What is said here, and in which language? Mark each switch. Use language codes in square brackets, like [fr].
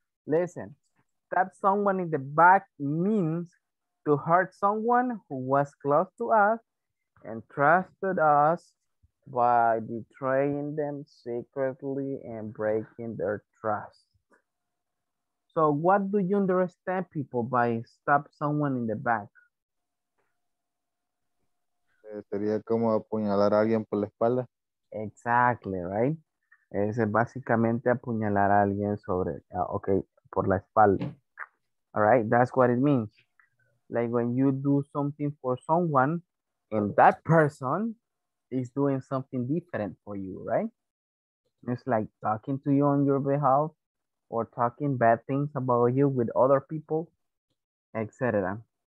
[en] Listen, stab someone in the back means to hurt someone who was close to us and trusted us by betraying them secretly and breaking their trust. So what do you understand, people, by stab someone in the back? [es] Sería como apuñalar a alguien por la espalda. [en] Exactly, right? [es] Es básicamente apuñalar a alguien sobre, okay, por la espalda. [en] All right, that's what it means. Like when you do something for someone and that person is doing something different for you, right? It's like talking to you on your behalf or talking bad things about you with other people, etc.